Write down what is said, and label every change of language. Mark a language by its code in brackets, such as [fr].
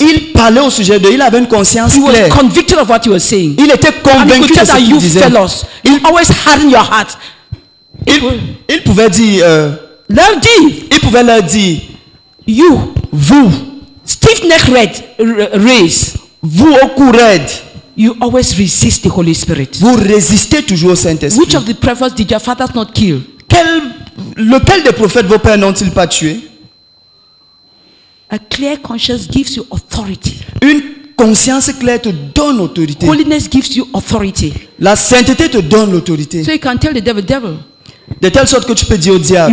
[fr] Il parlait au sujet d'eux. Il avait une conscience claire. [en] He was convicted of what he was saying. [fr] Il était convaincu de ce qu'il disait. [en] And he could tell that you fellows, you always harden your heart. [fr] Il pouvait dire. Il pouvait leur dire. [en] You. [fr] Vous. [en] Stiff neck race. [fr] Vous au cou raide. [en] You always resist the Holy Spirit. [fr] Vous résistez toujours au Saint-Esprit. [en] Which of the prophets did your fathers not kill? [fr] Lequel des prophètes vos pères n'ont-ils pas tué? [en] A clear conscience gives you authority. [fr] Une conscience claire te donne autorité. [en] Holiness gives you authority. [fr] La sainteté te donne l'autorité. [en] So you can tell the devil, devil. [fr] De telle sorte que tu peux dire au diable,